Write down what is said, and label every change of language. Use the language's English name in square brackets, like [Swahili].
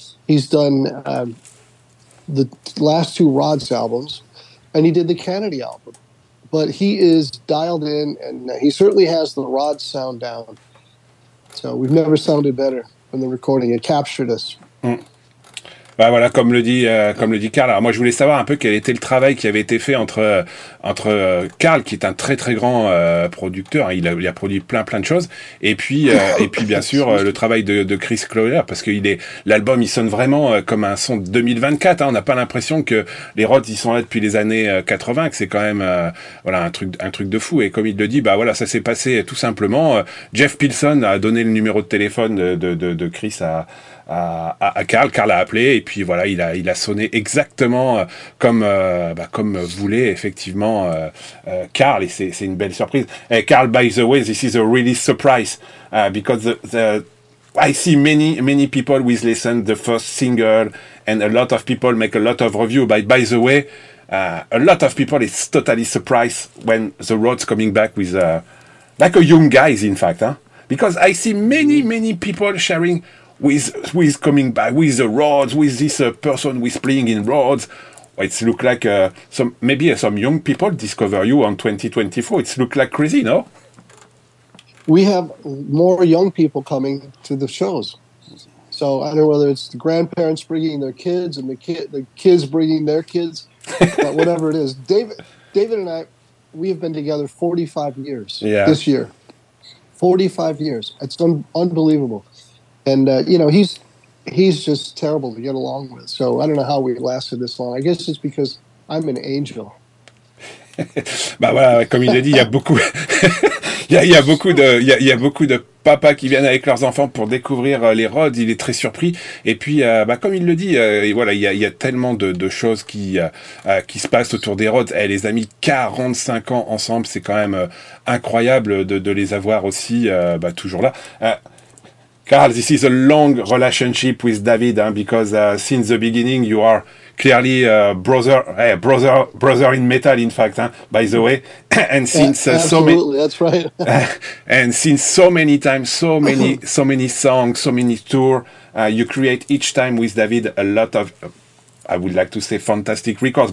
[English] He's done the last two Rods albums, and he did the Kennedy album. But he is dialed in, and he certainly has the Rods sound down. So we've never sounded better in the recording. It captured us. Mm. [French] Bah voilà, comme le dit Karl. Alors moi, je voulais savoir un peu quel était le travail qui avait été fait entre Karl, qui est un très très grand producteur. Hein, il a produit plein de choses. Et puis bien sûr le travail de Chris Collier, parce que l'album, il sonne vraiment comme un son de 2024. Hein, on n'a pas l'impression que les Rods ils sont là depuis les années 80. Que c'est quand même un truc de fou. Et comme il le dit, bah voilà, ça s'est passé tout simplement. Jeff Pilson a donné le numéro de téléphone de Chris à Karl. Karl a appelé, et puis voilà, il a sonné exactement comme voulait effectivement Karl, et c'est une belle surprise. [English] Hey, Karl, by the way, this is a really surprise, because I see many people with listen the first single, and a lot of people make a lot of review, but by the way, a lot of people is totally surprised when the Rods coming back with like a young guys, in fact, huh? Because I see many people sharing with coming back with the Rods, with this person who is playing in Rods. It looks like some young people discover you on 2024. It looks like crazy, no? We have more young people coming to the shows. So I don't know whether it's the grandparents bringing their kids and the kids bringing their kids, but whatever it is. David and I, we have been together 45 years this year. 45 years. It's unbelievable. And, you know, he's just terrible to get along with. So I don't know how we lasted this long. I guess it's because I'm an angel. [French] Bah voilà, comme il a dit, il y a beaucoup de papas qui viennent avec leurs enfants pour découvrir les Rods. Il est très surpris. Et puis, comme il le dit, et voilà, il y a tellement de choses qui se passent autour des Rods. Eh, les amis, 45 ans ensemble, c'est quand même incroyable de les avoir aussi toujours là. [English] Karl, this is a long relationship with David, hein, because since the beginning you are clearly brother in metal, in fact, hein, by the way. And since and since so many songs, so many tours, you create each time with David a lot of, I would like to say, fantastic records.